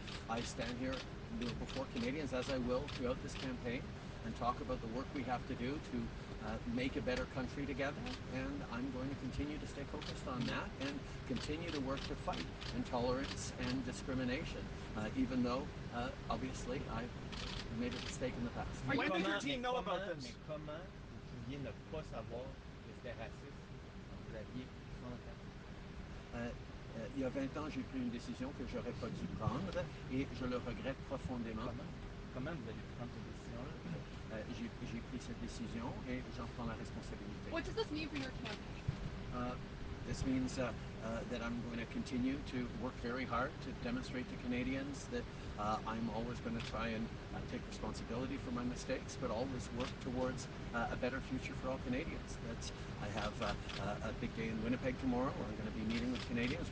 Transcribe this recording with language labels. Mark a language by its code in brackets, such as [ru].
[en] I stand here before Canadians, as I will throughout this campaign, and talk about the work we have to do to make a better country together, and I'm going to continue to stay focused on that and continue to work to fight intolerance and discrimination, even though obviously I made a mistake in the past. When did your team know about this? [fr] Mais comment vous pouviez ne pas savoir que c'était raciste quand vous aviez 30 ans? Il y a 20 ans, j'ai pris une décision que j'aurais pas dû prendre et je le regrette profondément. Comment vous allez prendre cette décision-là? J'ai pris cette décision et j'en prends la responsabilité. [en] What does this mean for your campaign? This means that I'm going to continue to work very hard to demonstrate to Canadians that I'm always going to try and take responsibility for my mistakes, but always work towards a better future for all Canadians. I have a big day in Winnipeg tomorrow where I'm going to be meeting with Canadians.